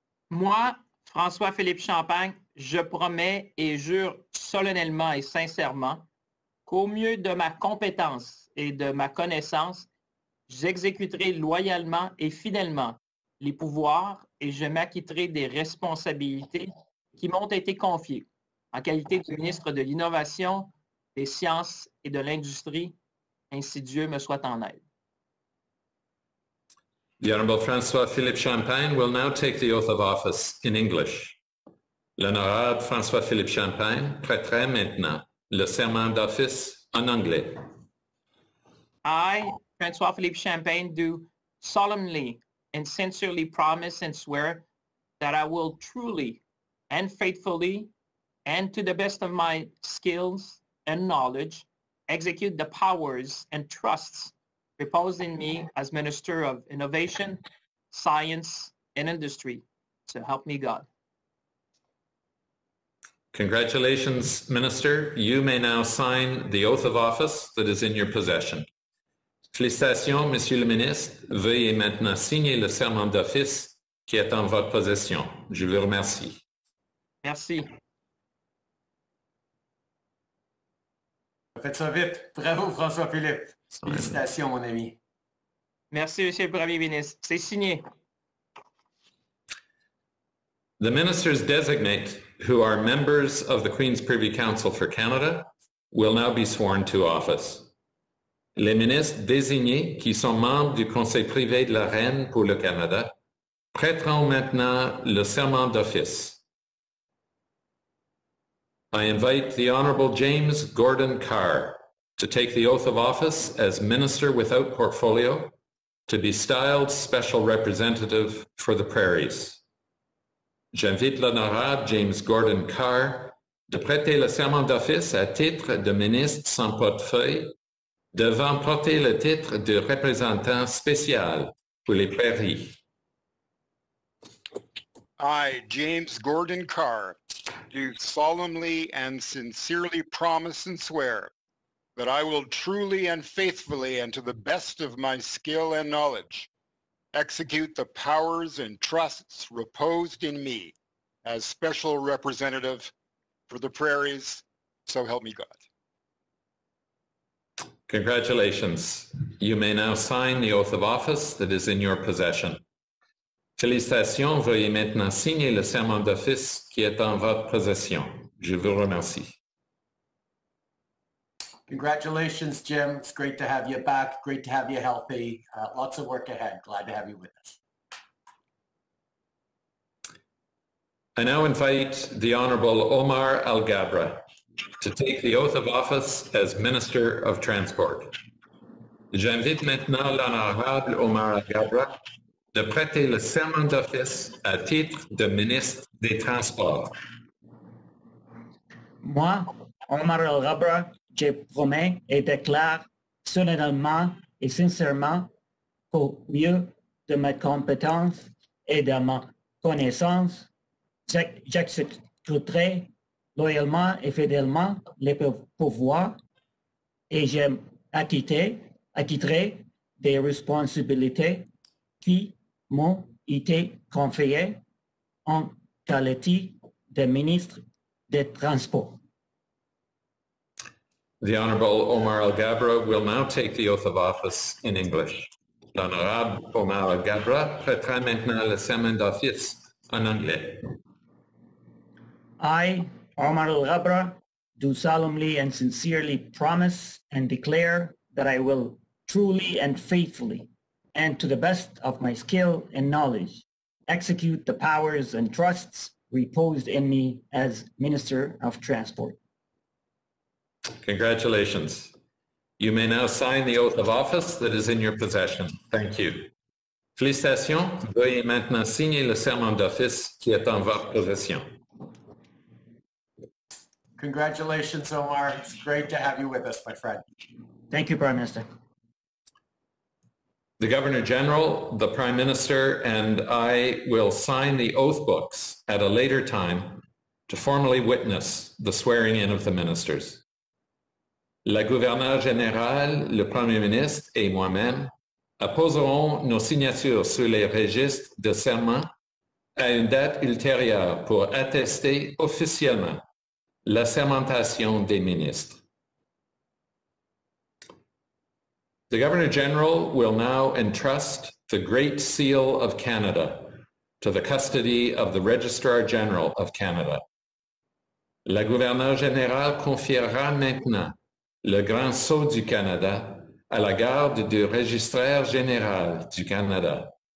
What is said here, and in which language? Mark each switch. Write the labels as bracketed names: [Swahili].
[French] Moi, François-Philippe Champagne, je promets et jure solennellement et sincèrement qu'au mieux de ma compétence et de ma connaissance, j'exécuterai loyalement et fidèlement les pouvoirs et je m'acquitterai des responsabilités qui m'ont été confiées en qualité de ministre de l'Innovation, des Sciences et de l'Industrie, ainsi Dieu me soit en aide. [English] The Honorable François-Philippe Champagne will now take the oath of office in English. [French] L'honorable François-Philippe Champagne prêtera maintenant le serment d'office en anglais. [English] I, François-Philippe Champagne, do solemnly and sincerely promise and swear that I will truly and faithfully and to the best of my skills and knowledge execute the powers and trusts reposed in me as Minister of Innovation, Science and Industry. So help me God. Congratulations, Minister. You may now sign the oath of office that is in your possession. [French] Félicitations, Monsieur le Ministre. Veuillez maintenant signer le serment d'office qui est en votre possession. Je vous remercie. Merci. Faites ça vite. Bravo, François-Philippe. Félicitations, mon ami. Merci, Monsieur le Premier ministre. C'est signé. [English] The ministers designate, who are members of the Queen's Privy Council for Canada, will now be sworn to office. [French] Les ministres désignés, qui sont membres du Conseil privé de la Reine pour le Canada, prêteront maintenant le serment d'office. [English] I invite the Honourable James Gordon Carr to take the oath of office as Minister without portfolio, to be styled Special Representative for the Prairies. [French] J'invite l'honorable James Gordon Carr de prêter le serment d'office à titre de ministre sans portefeuille, devant porter le titre de représentant spécial pour les Prairies. [English] I, James Gordon Carr, do solemnly and sincerely promise and swear that I will truly and faithfully and to the best of my skill and knowledge execute the powers and trusts reposed in me as special representative for the Prairies, so help me God. Congratulations. You may now sign the oath of office that is in your possession. [French] Félicitations, veuillez maintenant signer le serment d'office qui est en votre possession. Je vous remercie. [English] Congratulations, Jim. It's great to have you back. Great to have you healthy. Lots of work ahead. Glad to have you with us. I now invite the Honourable Omar Al-Ghabra to take the oath of office as Minister of Transport. [French] J'invite maintenant l'Honorable Omar Al-Ghabra de prêter le serment d'office à titre de ministre des Transports. Moi, Omar Al-Ghabra, je promets et déclare solennellement et sincèrement qu'au mieux de mes compétences et de ma connaissance, j'exécuterai loyalement et fidèlement les pouvoirs et je m'acquitterai des responsabilités qui m'ont été confiées en qualité de ministre des Transports. [English] The Honourable Omar Al-Ghabra will now take the oath of office in English. [French] L'Honorable Omar Al-Ghabra prêtera maintenant le serment d'office en anglais. [English] I, Omar Al-Ghabra, do solemnly and sincerely promise and declare that I will truly and faithfully and to the best of my skill and knowledge execute the powers and trusts reposed in me as Minister of Transport. Congratulations. You may now sign the oath of office that is in your possession. Thank you. [French] Félicitations. Veuillez maintenant signer le serment d'office qui est en votre possession. [English] Congratulations, Omar. It's great to have you with us, my friend. Thank you, Prime Minister. The Governor General, the Prime Minister, and I will sign the oath books at a later time to formally witness the swearing-in of the ministers. [French] La gouverneure générale, le premier ministre et moi-même apposerons nos signatures sur les registres de serment à une date ultérieure pour attester officiellement la sermentation des ministres. [English] The Governor General will now entrust the Great Seal of Canada to the custody of the Registrar General of Canada. [French] La gouverneure générale confiera maintenant le Grand Sceau du Canada à la garde du Registraire Général du Canada.